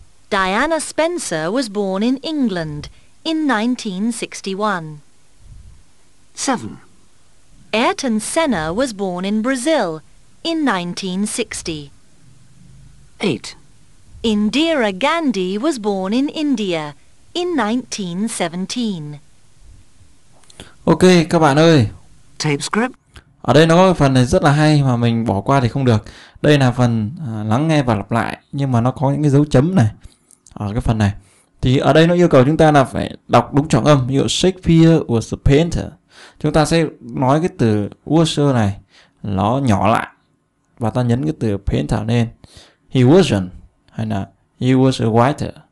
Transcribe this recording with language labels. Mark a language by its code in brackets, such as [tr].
[en] Diana Spencer was born in England in 1961. 7. Ayrton Senna was born in Brazil in 1960. 8. Indira Gandhi was born in India in 1917. [vi] Ok các bạn ơi. [en] Tape script. [vi] Ở đây nó có phần này rất là hay mà mình bỏ qua thì không được. Đây là phần lắng nghe và lặp lại, nhưng mà nó có những cái dấu chấm này ở cái phần này. Thì ở đây nó yêu cầu chúng ta là phải đọc đúng trọng âm. Ví dụ [en] Shakespeare was a painter, [vi] chúng ta sẽ nói cái từ was này nó nhỏ lại và ta nhấn cái từ painter lên. [en] He wasn't [vi] hay là [en] he was a writer.